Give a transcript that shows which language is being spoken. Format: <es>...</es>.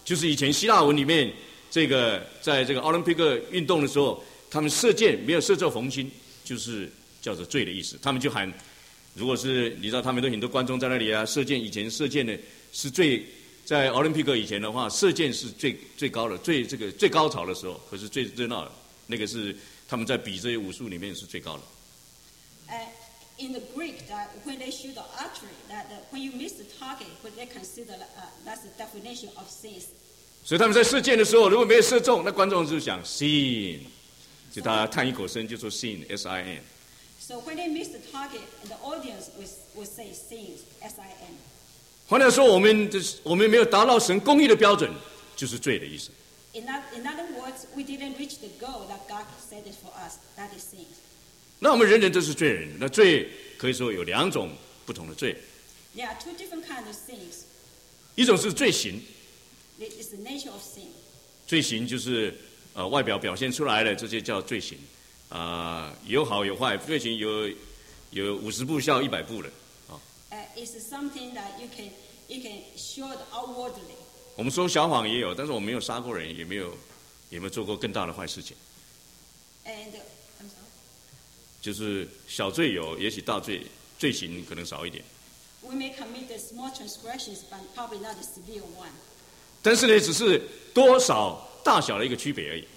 <zh>就是以前希腊文里面。这个在这个奥林匹克运动的时候，他们射箭没有射中红心，就是叫做罪的意思。他们就喊，如果是你知道，他们都很多观众在那里啊，射箭以前射箭呢是最在奥林匹克以前的话，射箭是最高的，最这个最高潮的时候，可是最热闹的，那个是他们在比这些武术里面是最高的。</zh> <en>In the Greek, that when they shoot the archery, that when you miss the target, when they consider that's the definition of sin.</en> <zh>所以他们在射箭的时候，如果没有射中，那观众就想 sin， 就大家叹一口声，就说 sin， S I N。</zh> <en>So when they miss the target, the audience will say sin， S I N。</en> <zh>换句话说，我们没有达到神公义的标准，就是罪的意思。</zh> <en>In other words, we didn't reach the goal that God set it for us. That is sin.</en> <zh>那我们人人都是罪人，那罪可以说有两种不同的罪。</zh> <en>There are two different kinds of sins.</en> <zh>一种是罪行。</zh> <en>It's the nature of sin.</en> <zh>罪行就是外表表现出来的，这些叫罪行。有好有坏，罪行有五十步笑一百步的。</zh> <en>It's something that you can show it outwardly.</en> <zh>我们说小谎也有，但是我没有杀过人，也没有做过更大的坏事情。</zh> <en>And I'm sorry.</en> <zh>就是小罪有，也许大罪行可能少一点。</zh> <en>We may commit the small transgressions, but probably not a severe one.</en> <zh>但是呢，只是多少大小的一个区别而已。</zh>